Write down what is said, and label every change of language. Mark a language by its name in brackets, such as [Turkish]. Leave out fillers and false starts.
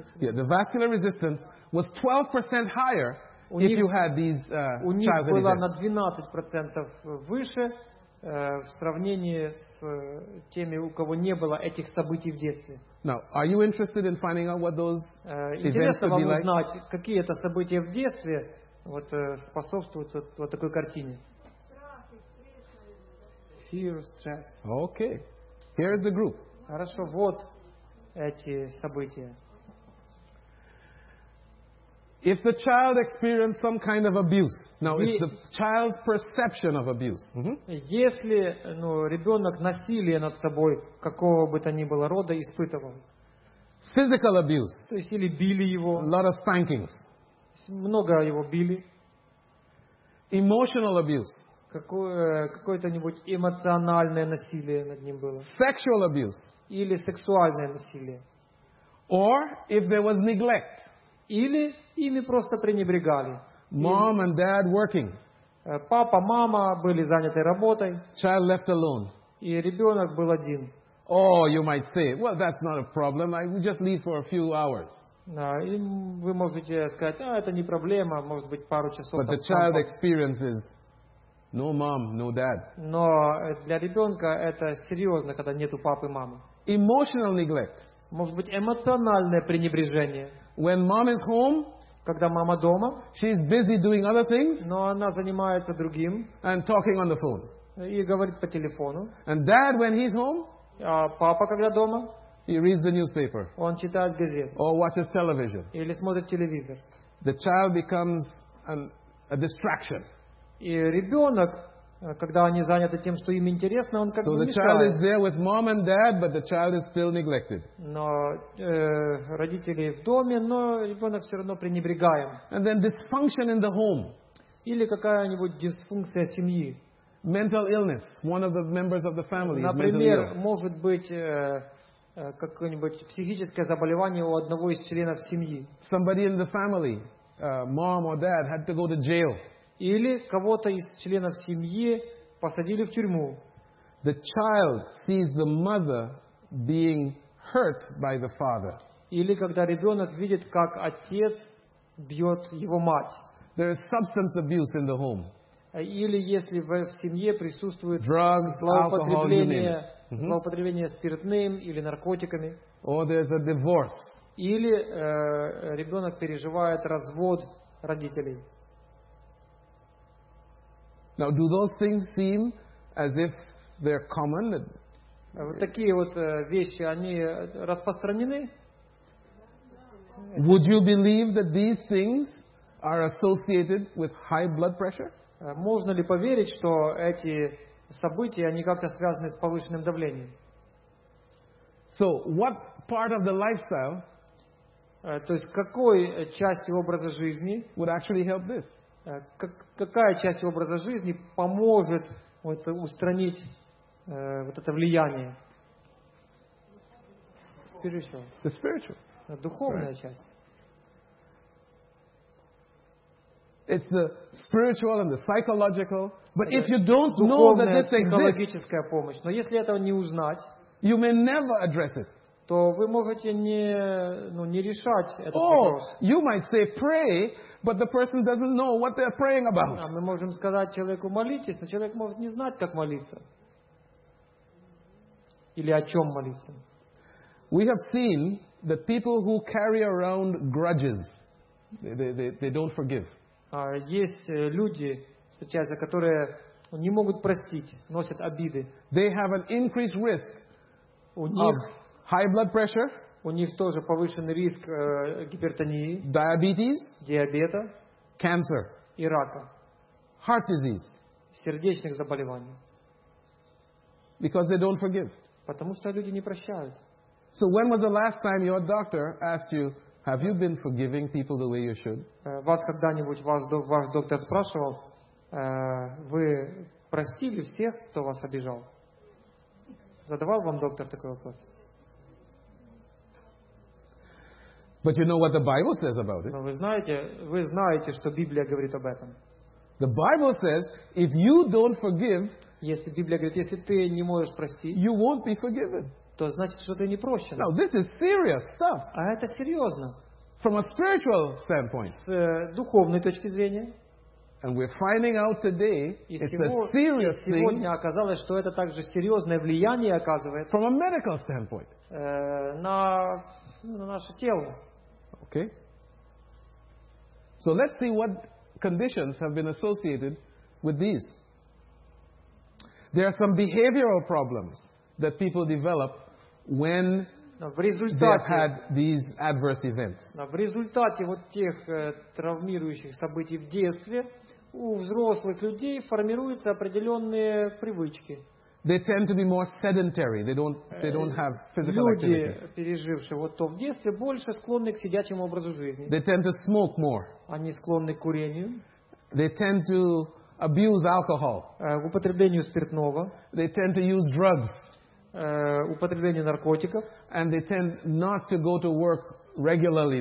[English] Yeah, the vascular resistance was 12% higher if you had these childhood events. [Russian] У них было на 12% выше в сравнении с теми, у кого не было этих событий в детстве. [English] Now, are you interested in finding out what those events would be like? [Russian] Интересно вам узнать, какие это события в детстве вот способствуют вот такой картине. [English] Fear, stress. Okay. Here is the group. [Russian] Хорошо, вот эти события. [English] If the child experienced some kind of abuse, now it's the child's perception of abuse. Mm-hmm. [Russian] Если, ну, ребенок насилие над собой какого бы то ни было рода испытывал. [English] Physical abuse. [Russian] То есть или били его. [English] A lot of spankings. [Russian] Много его били. [English] Emotional abuse. [Russian] Какое-то-нибудь эмоциональное насилие над ним было. [English] Sexual abuse. [Russian] Или сексуальное насилие. [English] Or if there was neglect. [Russian] Или ими просто пренебрегали. [English] Mom and dad working. [Russian] Папа, мама были заняты работой. [English] Child left alone. [Russian] И ребенок был один. [English] Oh, you might say, well, that's not a problem. I just leave for a few hours. [Russian] Да, и вы можете сказать, а это не проблема, может быть пару часов. [English] But the child experiences no mom, no dad. [Russian] Но для ребенка это серьезно, когда нету папы, мамы. [English] Emotional neglect. [Russian] Может быть эмоциональное пренебрежение. [English] When mom is home, [Russian] когда мама дома, [English] she is busy doing other things, [Russian] но она занимается другим, [English] and talking on the phone, [Russian] и говорит по телефону. [English] And dad, when he's home, [Russian] а папа когда дома, [English] he reads the newspaper, [Russian] он читает газету, [English] or watches television, [Russian] или смотрит телевизор. [English] The child becomes a distraction. [Russian] И ребенок, когда они заняты тем, что им интересно, он как бы мешает. [English] So the child is there with mom and dad, but the child is still neglected. [Russian] Но родители в доме, но ребенок все равно пренебрегаем. [English] And then dysfunction in the home. [Russian] Или какая-нибудь дисфункция семьи. [English] Mental illness. One of the members of the family. [Russian] Например, может быть какое-нибудь психическое заболевание у одного из членов семьи. [English] Somebody in the family, mom or dad, had to go to jail. [Russian] Или кого-то из членов семьи посадили в тюрьму. [English] The child sees the mother being hurt by the father. [Russian] Или когда ребенок видит, как отец бьет его мать. [English] There is substance abuse in the home. [Russian] Или если в семье присутствует [English] drugs, [Russian] злоупотребление, [English] alcohol, [Russian] злоупотребление спиртным или наркотиками. [English] Or there's a divorce. [Russian] Или ребенок переживает развод родителей. [English] Now, do those things seem as if they're common? [Russian] Вот такие вот вещи, они распространены? [English] Would you believe that these things are associated with high blood pressure? [Russian] Можно ли поверить, что эти события, они как-то связаны с повышенным давлением? [English] So, what part of the lifestyle? [Russian] То есть, какой части образа жизни [English] would actually help this? [Russian] Какая часть образа жизни поможет вот устранить вот это влияние? [English] The spiritual. [Russian] Духовная [English] right. [Russian] часть. [English] It's the spiritual and the psychological. But if you don't know that this exists, [Russian] психологическая помощь. Но если этого не узнать, [English] you may never address it. [Russian] То вы можете не, ну, не решать этот oh, вопрос. [English] You might say pray, but the person doesn't know what they're praying about. [Russian] Мы можем сказать человеку молитесь, но человек может не знать, как молиться. или о чем молиться. [English] We have seen that people who carry around grudges, they don't forgive. [Russian] Есть люди, встречаются, которые не могут простить, носят обиды. [English] They have an increased risk of high blood pressure. [Russian] У них тоже повышенный риск гипертонии, [English] diabetes, [Russian] диабета, [English] cancer, [Russian] и рака, [English] heart disease, [Russian] сердечных заболеваний. [English] Because they don't forgive. [Russian] Потому что люди не прощают. [English] So when was the last time your doctor asked you, have you been forgiving people the way you should? [Russian] Вас когда-нибудь ваш доктор спрашивал, вы простили всех, кто вас обижал? Задавал вам доктор такой вопрос? [English] But you know what the Bible says about it. [Russian] Но вы знаете, что Библия говорит об этом. [English] The Bible says, if you don't forgive, [Russian] если Библия говорит, если ты не можешь простить, [English] you won't be forgiven. [Russian] То значит, что ты не прощен. [English] Now, this is serious stuff. [Russian] А это серьезно. [English] From a spiritual standpoint. [Russian] С духовной точки зрения. [English] And we're finding out today, [Russian] сегодня оказалось, что это также серьезное влияние оказывает. [English] From a medical standpoint. [Russian] На наше тело. [English] Okay. So let's see what conditions have been associated with these. There are some behavioral problems that people develop when they've had these adverse events. [Russian] В результате вот тех травмирующих событий в детстве у взрослых людей формируются определенные привычки. [English] They tend to be more sedentary. They don't have physical activity. [Russian] Люди, пережившие вот то в детстве, больше склонны к сидячему образу жизни. [English] They tend to smoke more. [Russian] Они склонны к курению. [English] They tend to abuse alcohol. [Russian] К употреблению спиртного. [English] They tend to use drugs. [Russian] Употреблению наркотиков. [English] And they tend not to go to work regularly.